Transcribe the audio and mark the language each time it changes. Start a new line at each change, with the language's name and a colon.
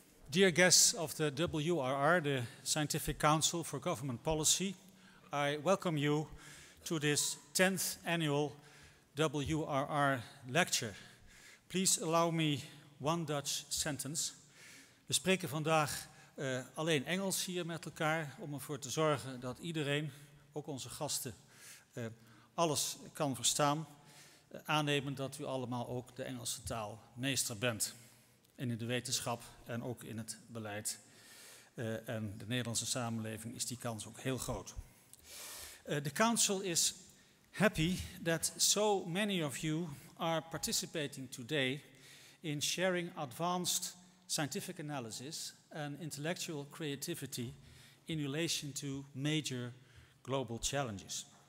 English: Dear guests of the WRR, the Scientific Council for Government Policy, I welcome you to this 10th annual WRR lecture. Please allow me one Dutch sentence.
Dutch: We spreken vandaag alleen Engels hier met elkaar, om ervoor te zorgen dat iedereen, ook onze gasten, alles kan verstaan, aannemen dat u allemaal ook de Engelse taal meester bent. En in de wetenschap en ook in het beleid. En de Nederlandse samenleving is die kans ook heel groot.
English: The Council is happy that so many of you are participating today in sharing advanced scientific analysis and intellectual creativity in relation to major global challenges.